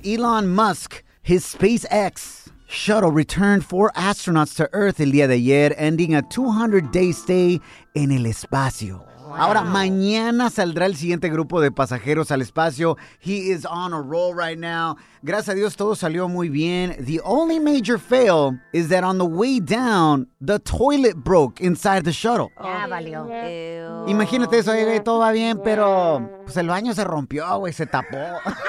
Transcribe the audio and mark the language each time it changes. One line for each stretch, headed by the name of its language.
English: Elon Musk, his SpaceX shuttle returned 4 astronauts to Earth
Spanish: el día de ayer,
English: ending a 200-day stay
Spanish: en el espacio.
English: Wow.
Spanish: Ahora, mañana saldrá el siguiente grupo de pasajeros al espacio.
English: He is on a roll right now.
Spanish: Gracias a Dios, todo salió muy bien.
English: The only major fail is that on the way down, the toilet broke inside the shuttle.
Spanish: Ya, valió. Ew. Imagínate eso, ahí todo va bien, pero pues el baño se rompió, güey, se tapó.